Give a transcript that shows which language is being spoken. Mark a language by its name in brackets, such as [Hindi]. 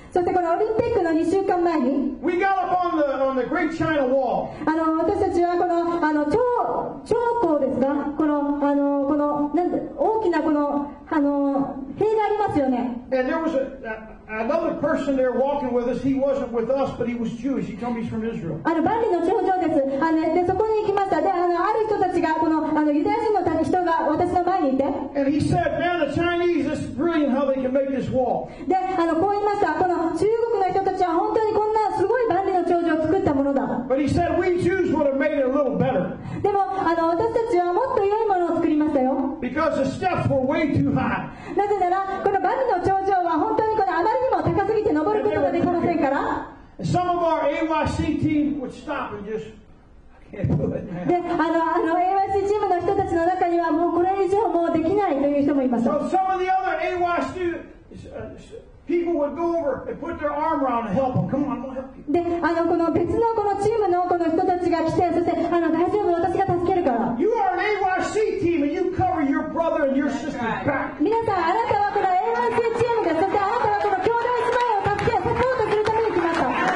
[Japanese] そしてこのオリンピックの2週間前に、 [English] We got up on the Great China Wall. [Japanese] あの、私たちはこの、あの、超高ですか? この、あの、この、なんて、大きなこの、あの、塀がありますよね。 [English] And there was another person there walking with us, he wasn't with us, but he was Jewish. He told me he's from Israel. [Japanese] あの、万里の長城です。あの、で、そこに行きました。で、あの、ある人たちが、この、あの、ユダヤ人の人が私の前にいて。 [English] And he said, man, the Chinese, this is brilliant how they can make this wall. [Japanese] で、あの、こう言いました。この中国の人たちは本当にこんなすごい万里の長城を作ったものだ。 [English] But he said, we Jews would have made it a little better. [Japanese] でも、あの、私たちはもっと良いものを作りましたよ。 [English] Because the steps were way too high. [Japanese] なぜなら、この万里の長城は本当にこれあまりにも高すぎて登ることができませんから。 [English] Some of our AYC team would stop and just [Japanese] で、あの AYC チームの人たちの中にはもうこれ以上もうできないという人もいました。 [English] So some of the other AYC people would go over and put their arm around and help them. Come on, I'm gonna help you. [Japanese] で、あの、この別のこのチームのこの人たちが来て、そして、あの、大丈夫、私が助けるから。 [English] You are an AYC team and you cover your brother and your sister's back. [Japanese] 皆さん、あなたはこの AYC チームです。そしてあなたはこの兄弟姉妹を助け、サポートするために来ました。